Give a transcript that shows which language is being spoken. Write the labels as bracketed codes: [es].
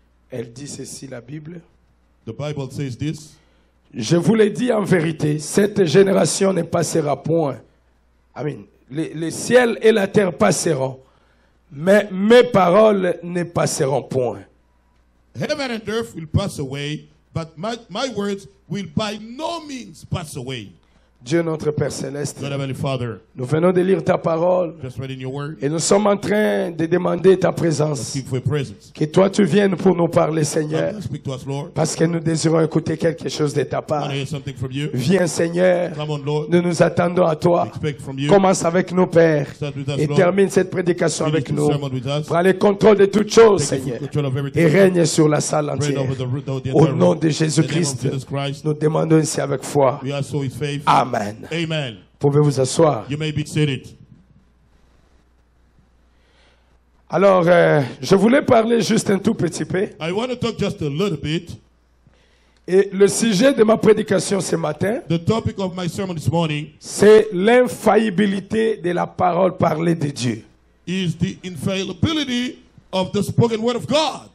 [fr] Elle dit ceci, la Bible. [en] The Bible says this. [fr] Je vous l'ai dit en vérité, cette génération ne passera point. Amen. Les ciels et la terre passeront, mais mes paroles ne passeront point. [en] Heaven and earth will pass away, but my words will by no means pass away. [fr] Dieu notre Père céleste, [en] God, Heavenly Father, [fr] nous venons de lire ta parole [en] word, [fr] et nous sommes en train de demander ta présence. Que toi tu viennes pour nous parler, Seigneur, [en] us, Lord, [fr] parce que nous désirons écouter quelque chose de ta part. [en] You. [fr] Viens, Seigneur, [en] come on, Lord, [fr] nous nous attendons à toi. Commence avec nous, Père, et termine cette prédication avec nous. Prends le contrôle de toutes choses, Seigneur, et règne sur la salle entière. Au nom de Jésus-Christ, nous demandons ici avec foi. Amen. Amen. Vous pouvez vous asseoir. [en] You may be seated. [fr] Alors, je voulais parler juste un tout petit peu. [en] I want to talk just a little bit. [fr] Et le sujet de ma prédication ce matin, [en] the topic of my sermon this morning, [fr] c'est l'infaillibilité de la parole parlée de Dieu. [en] Is the infallibility of the spoken word of God.